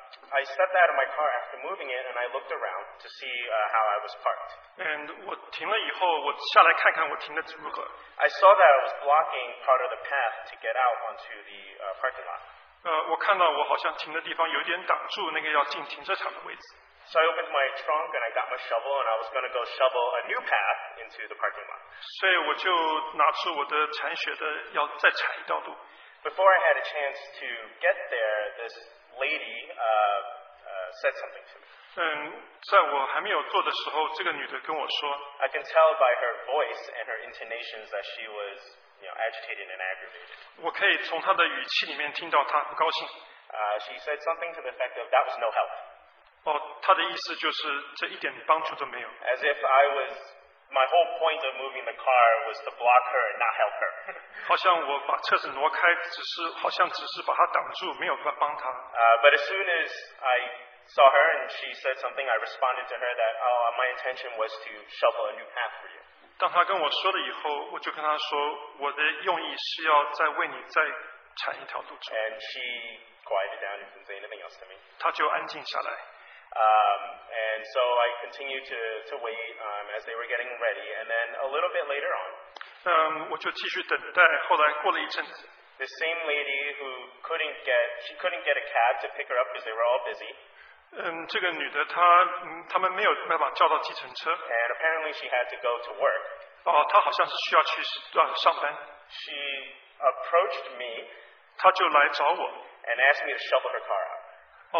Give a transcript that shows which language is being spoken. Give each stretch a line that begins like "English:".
English: I stepped out of my car after moving it, and I looked around to see how I was parked. And
Chinese: 我停了以后，我下来看看我停的如何。
English: I saw that I was blocking part of the path to get out onto the parking lot.
Chinese: 我看到我好像停的地方有点挡住那个要进停车场的位置。
English: So I opened my trunk and I got my shovel and I was going to go shovel a new path into the parking lot.
Chinese: 所以我就拿出我的铲雪的，要再铲一道路。
English: Before I had a chance to get there, this lady said something to me.
Chinese: 在我还没有做的时候，这个女的跟我说。
English: I can tell by her voice and her intonations that she was, you know, agitated and aggravated.
Chinese: 我可以从她的语气里面听到她不高兴。
English: She said something to the effect of that was no help.
Chinese: 他的意思就是这一点帮助都没有。
English: As if I was, my whole point of moving the car was to block her and not help her.
Chinese: 好像我把车子挪开，好像只是把她挡住，没有帮她。
English: But as soon as I saw her and she said something, I responded to her that, oh, my intention was to shovel a new path for you.
Chinese: 当她跟我说了以后，我就跟她说，我的用意是要再为你再铲一条路走。
English: And she quieted down and didn't say anything else. else to me.
Chinese: 他就安静下来。
English: And so I continued to wait as they were getting ready, and then a little bit later on,
Chinese: 我就继续等待，后来过了一阵子。
English: The same lady who couldn't get a cab to pick her up because they were all busy.
Chinese: 这个女的她们没有办法叫到计程车。
English: And apparently she had to go to work.
Chinese: 哦，她好像是需要去上班。
English: She approached me.
Chinese: 她就来找我。
English: And asked me to shovel her car out.